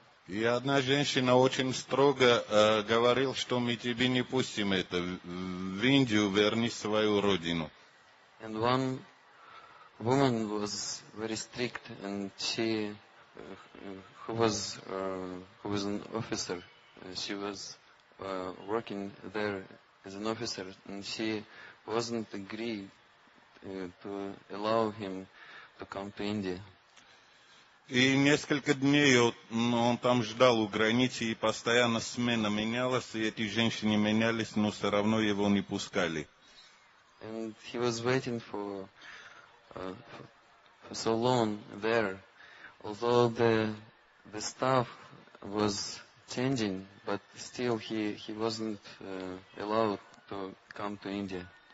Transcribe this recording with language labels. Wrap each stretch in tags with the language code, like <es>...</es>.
<ru>И одна женщина очень строго говорил, что мы тебе не пустим это в Индию, верни свою родину.</ru> <en>And one woman was very strict, and she, who was an officer, she was working there as an officer, and she wasn't agreed to allow him to come to India.</en> <ru>И несколько дней он там ждал у границы, и постоянно смена менялась, и эти женщины менялись, но все равно его не пускали.</ru> <en>And he was waiting for so long there, although the staff was changing, but still he wasn't allowed to come to India.</en>